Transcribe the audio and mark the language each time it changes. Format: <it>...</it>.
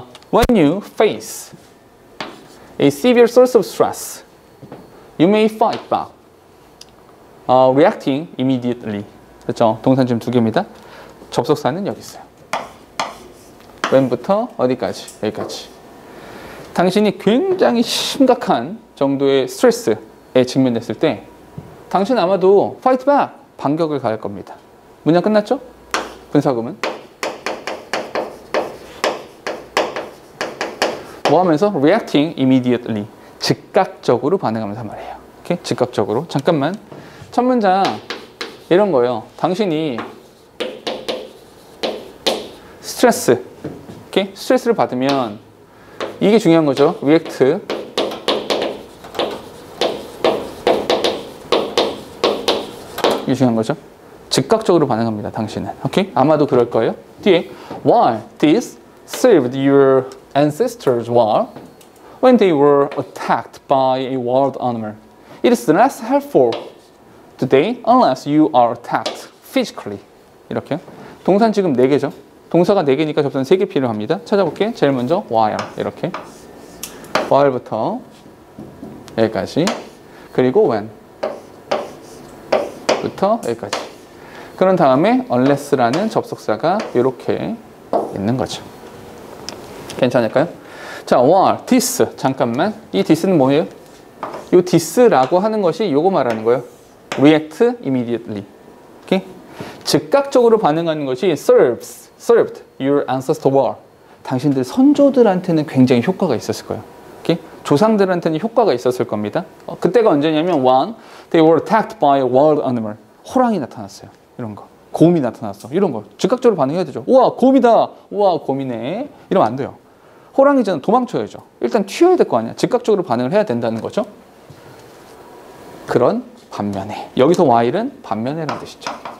<en>when you face a severe source of stress, you may fight back, reacting immediately.</en> <ko>그렇죠? 동사는 지금 두 개입니다. 접속사는 여기 있어요. 왼부터 어디까지? 여기까지. 당신이 굉장히 심각한 정도의 스트레스에 직면됐을 때 당신 아마도</ko> <en>fight back,</en> <ko>반격을 가할 겁니다. 문장 끝났죠? 분사구문. 뭐 하면서?</ko> <en>reacting immediately.</en> <ko>즉각적으로 반응하면서 한 말이에요. 이렇게? 즉각적으로. 잠깐만. 첫 문장. 이런 거예요. 당신이 스트레스. 이렇게? 스트레스를 받으면 이게 중요한 거죠.</ko> <en>react.</en> <ko>이게 중요한 거죠. 즉각적으로 반응합니다. 당신은. 오케이? 아마도 그럴 거예요. 뒤에</ko> <en>why this saved your ancestors well when they were attacked by a wild animal. It is less helpful today unless you are attacked physically.</en> <ko>이렇게 동사는 지금 네 개죠. 동사가 네 개니까 접속사는 세 개 필요합니다. 찾아볼게. 제일 먼저 why 이렇게 while부터 여기까지 그리고 when부터 여기까지. 그런 다음에 unless라는 접속사가 이렇게 있는 거죠. 괜찮을까요? 자, while, this, 잠깐만. 이 this는 뭐예요? 이 this라고 하는 것이 이거 말하는 거예요.</ko> <en>react immediately.</en> <ko>오케이? 즉각적으로 반응하는 것이</ko> <en>serves, served your ancestor well.</en> <ko>당신들 선조들한테는 굉장히 효과가 있었을 거예요. 오케이? 조상들한테는 효과가 있었을 겁니다. 그때가 언제냐면</ko> <en>one, they were attacked by a wild animal.</en> <ko>호랑이 나타났어요. 이런 거. 곰이 나타났어. 이런 거. 즉각적으로 반응해야 되죠. 우와, 곰이다. 우와, 곰이네. 이러면 안 돼요. 호랑이잖아. 도망쳐야죠. 일단 튀어야 될 거 아니야. 즉각적으로 반응을 해야 된다는 거죠. 그런 반면에. 여기서 while은 반면에라는 뜻이죠.</ko>